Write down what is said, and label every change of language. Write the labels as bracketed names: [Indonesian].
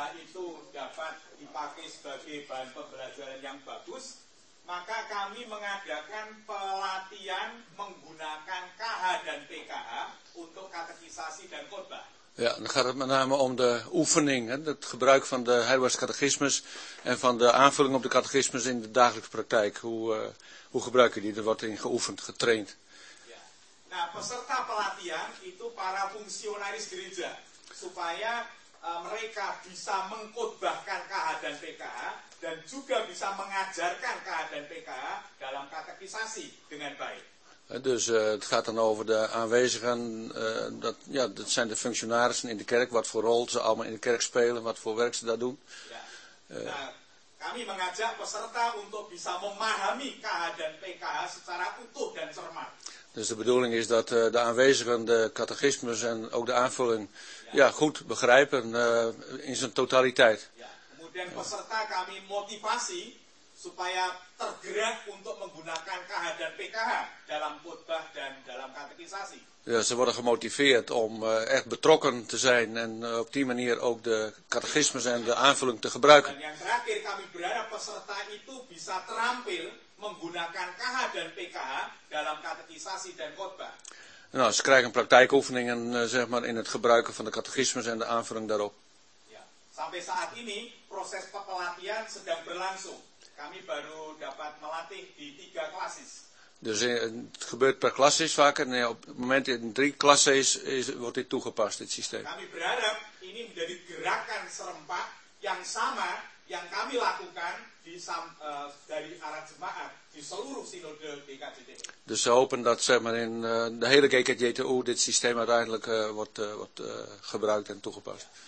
[Indonesian] itu dapat dipakai sebagai bahan pembelajaran yang bagus, maka kami mengadakan pelatihan menggunakan KH dan PKH untuk katekisasi dan khotbah. [Dutch] Ja, dan gaat het met name om de oefening, hè, het gebruik van de Heidelbergse catechismus en van de aanvulling op de catechismus in de dagelijkse praktijk. Hoe gebruik je die? Er wordt in geoefend, getraind. Ja. [Indonesian] Nou, peserta pelatihan itu para fungsionaris gereja, supaya mereka bisa mengkhotbahkan KH dan PKH dan juga bisa mengajarkan KH dan PKH dalam katekisasi dengan baik. [Dutch] Dus het gaat dan over de aanwezigen, dat zijn de functionarissen in de kerk, wat voor rol ze allemaal in de kerk spelen, wat voor werk ze daar doen. Ja. [Indonesian] Kami mengajak peserta untuk bisa memahami KH dan PKH secara utuh dan cermat. [Dutch] Dus de bedoeling is dat de aanwezigen de catechismus en ook de aanvulling goed begrijpen in zijn totaliteit. [Indonesian] Ja. Kemudian peserta kami motivasi supaya tergerak untuk menggunakan KH dan PKH dalam khotbah dan dalam katekisasi. [Dutch] Ja, ze worden gemotiveerd om echt betrokken te zijn en op die manier ook de catechismus en de aanvulling te gebruiken. [Indonesian] Dan yang terakhir, kami berharap peserta itu bisa terampil menggunakan KH dan PKH dalam katekisasi dan khotbah. [Dutch] Nou, ze krijgen praktijkoefeningen in het gebruiken van de catechismus en de aanvulling daarop. [Indonesian] Ja, sampai saat ini proses pelatihan sedang berlangsung. Kami baru dapat melatih di 3 klasis. [Dutch] Dus het gebeurt per klasis vaker. Nee, op het moment in 3 klasses wordt dit toegepast, dit systeem. [Indonesian] Kami berharap ini menjadi gerakan serempak yang sama yang kami lakukan di dari arah jemaat di seluruh sinode GKJT. [Dutch] Dus ze hopen dat in de hele GKJTU dit systeem uiteindelijk wordt gebruikt en toegepast.